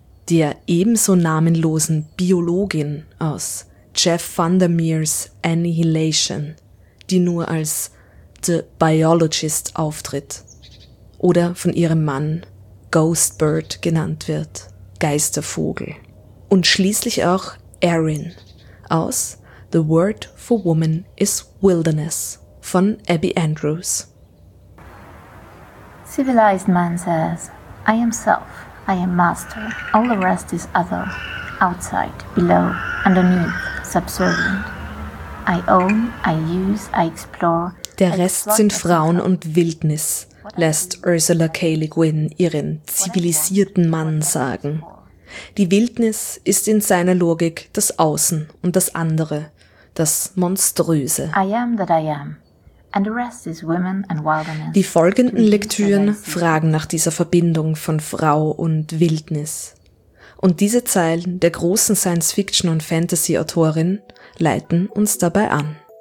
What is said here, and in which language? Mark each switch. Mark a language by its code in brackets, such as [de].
[de] Der ebenso namenlosen Biologin aus Jeff Vandermeers Annihilation, die nur als The Biologist auftritt oder von ihrem Mann Ghostbird genannt wird, Geistervogel. Und schließlich auch Erin aus The Word for Woman is Wilderness von Abby Andrews. [en] Civilized man says, I am self. I am master, all the rest is other, outside, below, underneath, subservient. I own, I use, I explore. [de] Der Rest sind Frauen und Wildnis, lässt Ursula K. Le Guin ihren zivilisierten Mann sagen. Die Wildnis ist in seiner Logik das Außen und das Andere, das Monströse. [en] I am that I am. And the rest is women and wilderness. [de] Die folgenden Lektüren fragen nach dieser Verbindung von Frau und Wildnis. Und diese Zeilen der großen Science-Fiction- und Fantasy-Autorin leiten uns dabei an.